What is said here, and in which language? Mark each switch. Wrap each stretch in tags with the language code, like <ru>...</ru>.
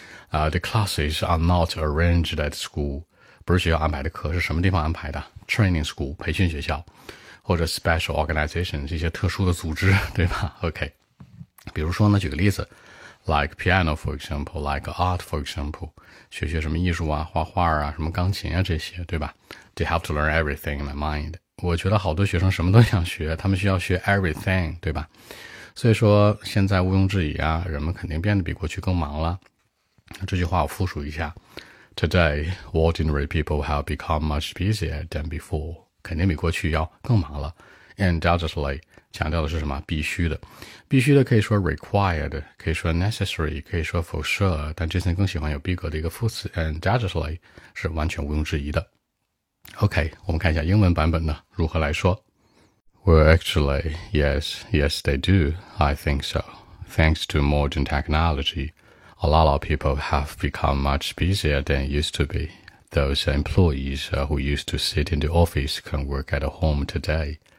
<zh>The classes are not arranged at school, 不是学校安排的课，是什么地方安排的， training school, 培训学校，或者 special organization, 这些特殊的组织对吧， OK, 比如说呢举个例子， like piano for example, like art for example, 学学什么艺术啊，画画啊，什么钢琴啊，这些对吧， they have to learn everything in my mind, 我觉得好多学生什么都想学，他们需要学 everything, 对吧。所以说现在毋庸置疑啊，人们肯定变得比过去更忙了。这句话我复述一下。</zh> <en>Today, ordinary people have become much busier than before.</en> <zh>肯定比过去要更忙了。Undoubtedly, 强调的是什么，必须的。必须的可以说 required, 可以说 necessary, 可以说 for sure, 但这次更喜欢有逼格的一个副词 ,undoubtedly, 是完全毋庸置疑的。 OK, 我们看一下英文版本呢如何来说。</zh> <en>Well, actually, yes, yes, they do, I think so. Thanks to modern technology, a lot of people have become much busier than used to be. those employees who used to sit in the office can work at home today.</en>